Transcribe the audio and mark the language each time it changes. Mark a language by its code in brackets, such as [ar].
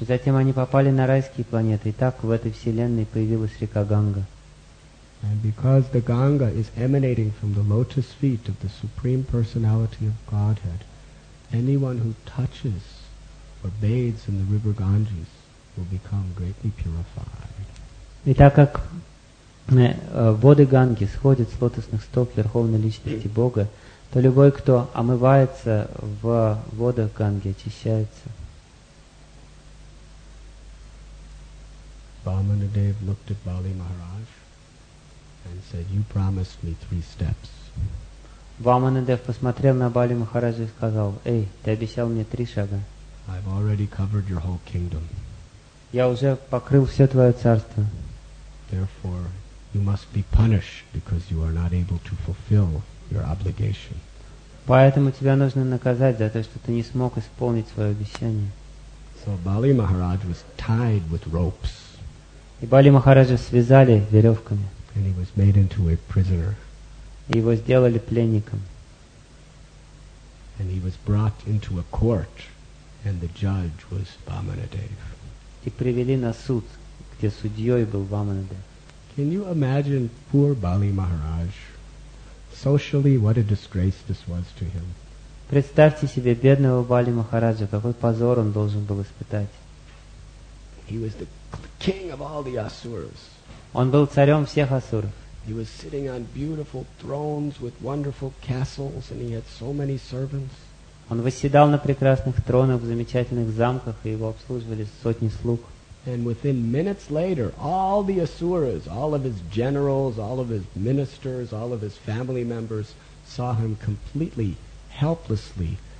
[ru] И затем они попали на райские планеты, и так в этой Вселенной появилась река Ганга. [en] And because the Ganga is emanating from the lotus feet of the Supreme Personality of Godhead, anyone who touches or bathes in the river Ganges will become greatly purified. [ru] И так как воды Ганги сходят с лотосных стоп Верховной Личности Бога, то любой, кто омывается в водах Ганги, очищается. [en] Vamanadev looked at Bali Maharaj and said, "You promised me three steps." [ru] Vamanadev посмотрел на Бали Махараджа и сказал: "Эй, ты обещал мне три шага." [en] I've already covered your whole kingdom. [ru] Я уже покрыл все твое царство. [en] Therefore, you must be punished because you are not able to fulfill your obligation. [ru] Поэтому тебя нужно наказать за то, что ты не смог исполнить свое обещание. [en] So Bali Maharaj was tied with ropes. [ru] И Бали Махараджа связали веревками. [en] And he was made into a prisoner. [ru] Его сделали пленником. [en] And he was brought into a court, and the judge was Vamanadev. [ru] И привели на суд, где судьей был Vamanadev. [en] Can you imagine poor Bali Maharaj? Socially, what a disgrace this was to him. [ru] Представьте себе бедного Бали Махараджа, какой позор он должен был испытать. [en] He was the king of all the asuras. [ru] Он был царем всех асуров. [en] He was sitting on beautiful thrones with wonderful castles, and he had so many servants. [ru] Он восседал на прекрасных тронах в замечательных замках, и его обслуживали сотни слуг. [en] And within minutes later, all the asuras, all of his generals, all of his ministers, all of his family members saw him completely helplessly.